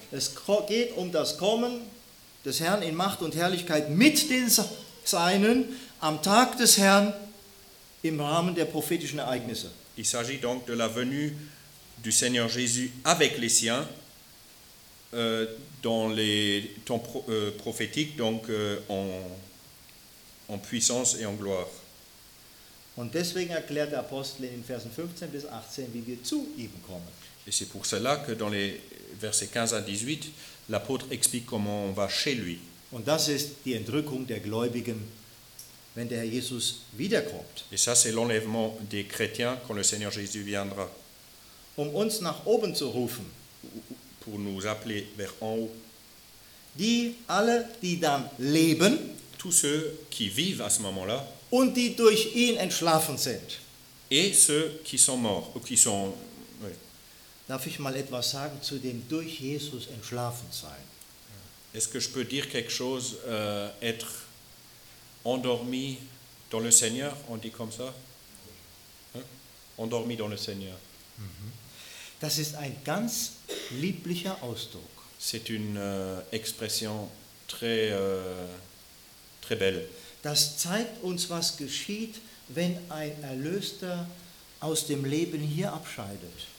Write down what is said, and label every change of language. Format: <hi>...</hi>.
<de>Es geht um das Kommen des Herrn in Macht und Herrlichkeit mit den Seinen am Tag des Herrn im Rahmen der prophetischen Ereignisse.</de> <fr>Il s'agit donc de la venue du Seigneur Jésus avec les siens dans les temps prophétiques, donc en puissance et en gloire.</fr> <de>Und deswegen erklärt der Apostel in den Versen 15 bis 18, wie wir zu ihm kommen.</de> <fr>Et c'est pour cela que dans les versets 15 à 18, l'apôtre explique comment on va chez lui.</fr> <de>Und das ist die Entrückung der Gläubigen, wenn der Herr Jesus wiederkommt.</de> <fr>Et ça, c'est l'enlèvement des chrétiens quand le Seigneur Jésus viendra.</fr> <de>Um uns nach oben zu rufen.</de> <fr>Pour nous appeler vers en haut.</fr> <de>Die alle, die dann leben.</de> <fr>Tous ceux qui vivent à ce moment-là.</fr> <de>Und die durch ihn entschlafen sind.</de> <fr>Et ceux qui sont morts, ou qui sont...</fr> <de>Darf ich mal etwas sagen zu dem durch Jesus entschlafen sein?</de> <fr>Est-ce que je peux dire quelque chose, être endormi dans le Seigneur, on dit comme ça? Hein? Endormi dans le Seigneur.</fr> <de>Das ist ein ganz lieblicher Ausdruck.</de> <fr>C'est une expression très, très belle.</fr> <de>Das zeigt uns, was geschieht, wenn ein Erlöster aus dem Leben hier abscheidet.</de>